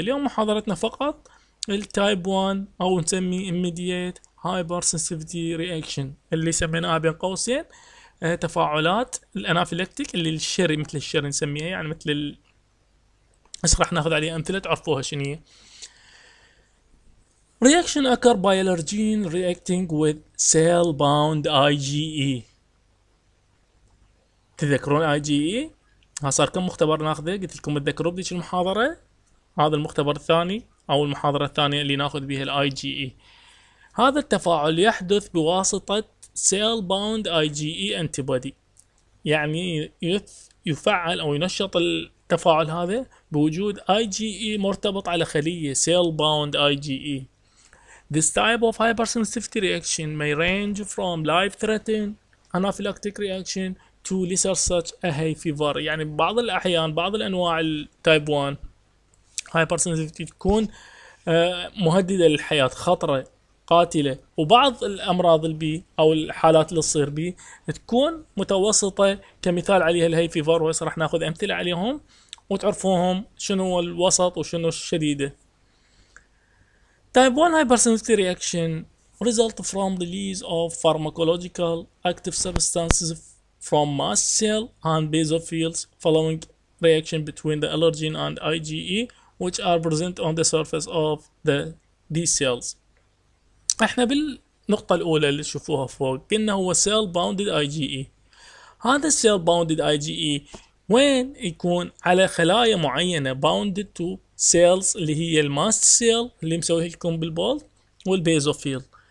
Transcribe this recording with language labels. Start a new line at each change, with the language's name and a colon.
Arabic: اليوم محاضرتنا فقط التايب 1 أو نسمي immediate hypersensitivity reaction اللي سميناها بين قوسين تفاعلات الأنافيلكتيك اللي الشري، مثل الشري نسميها، يعني مثل هسه راح ناخذ عليه أمثلة تعرفوها شنو هي.
English: Reaction occur by allergen reacting with cell-bound IgE.
Arabic: تذكرون IgE؟ ها صار كم مختبر ناخذه؟ قلت لكم تذكروا بديش المحاضرة؟ هذا المختبر الثاني أو المحاضرة الثانية اللي ناخذ بها IgE. هذا التفاعل يحدث بواسطة cell-bound IgE antibody، يعني يفعل أو ينشط التفاعل هذا بوجود IgE مرتبط على خلية cell-bound IgE.
English: This type of hypersensitivity reaction may range from life-threatening anaphylactic reaction to lesser such a hay fever.
Arabic: يعني بعض الأحيان بعض الأنواع الـ type 1 hypersensitivity تكون مهددة للحياة، خطرة قاتلة، وبعض الأمراض البي أو الحالات اللي تصير بي تكون متوسطة، كمثال عليها الهاي فيفر، وهسه راح ناخذ أمثلة عليهم وتعرفوهم شنو الوسط وشنو الشديدة.
English: Type 1 hypersensitivity reaction result from release of pharmacological active substances from mast cell and basophils following reaction between the allergen and IgE which are present on the surface of the these cells.
Arabic: احنا بالنقطة الأولى اللي تشوفوها فوق قلنا هو cell bounded IgE. هذا cell bounded IgE وين يكون؟ على خلايا معينة
English: bounded to cells
Arabic: اللي هي الماست سيل اللي مسويه لكم بالبولد والبيزوفيل.